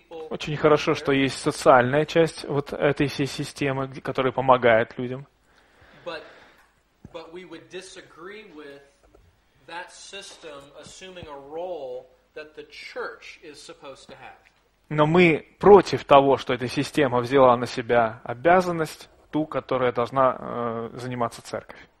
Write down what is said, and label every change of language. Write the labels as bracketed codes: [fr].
[ru] Очень хорошо, что есть социальная часть вот этой всей системы, которая помогает людям. [en] But we would disagree with that system assuming a role that the church is supposed to have. [ru] Но мы против того, что эта система взяла на себя обязанность, ту, которая должна заниматься церковь.